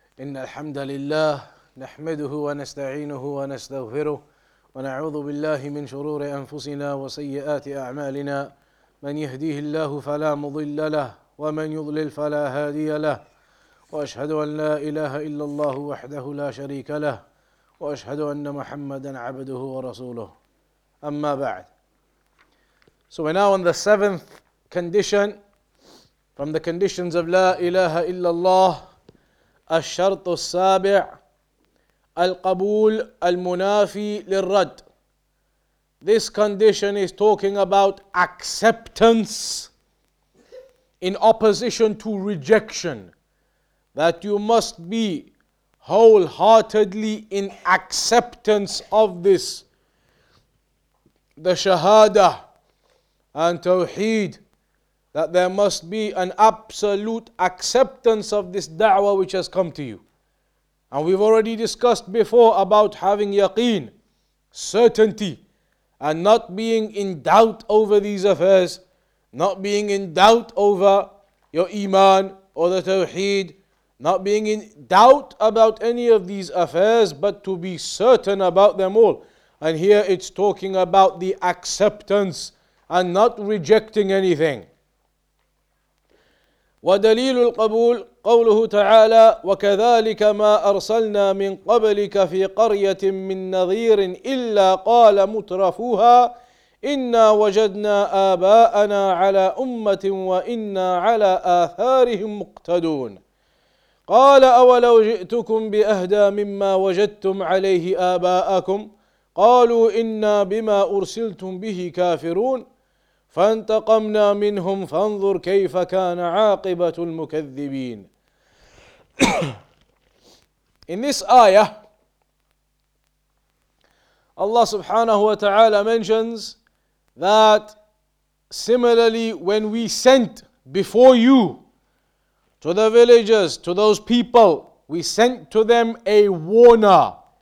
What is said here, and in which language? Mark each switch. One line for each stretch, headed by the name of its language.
Arabic: إن الحمد لله نحمده ونستعينه ونستغفره ونعوذ بالله من شرور أنفسنا وسيئات أعمالنا من يهديه الله فلا مضل له ومن يضلل فلا هادي له وأشهد أن لا إله إلا الله وحده لا شريك له وأشهد أن محمدا عبده ورسوله أما بعد.
English: So we're now on the seventh condition from the conditions of لا إله إلا الله.
Arabic: الشرط السابع القبول المنافي للرد.
English: This condition is talking about acceptance in opposition to rejection. That you must be wholeheartedly in acceptance of this. The Shahaadah and Tawheed. That there must be an absolute acceptance of this da'wah which has come to you. And we've already discussed before about having yaqeen, certainty, and not being in doubt over these affairs, not being in doubt over your iman or the tawheed, not being in doubt about any of these affairs, but to be certain about them all. And here it's talking about the acceptance and not rejecting anything.
Arabic: ودليل القبول قوله تعالى وكذلك ما أرسلنا من قبلك في قرية من نذير إلا قال مترفوها إنا وجدنا آباءنا على أمة وإنا على آثارهم مقتدون قال أولو جئتكم بأهدى مما وجدتم عليه آباءكم قالوا إنا بما أرسلتم به كافرون فانتقمنا منهم فانظر كيف كان عاقبة المكذبين.
English: In this ayah, Allah subhanahu wa ta'ala mentions that similarly, when we sent before you to the villagers, to those people, we sent to them a warner.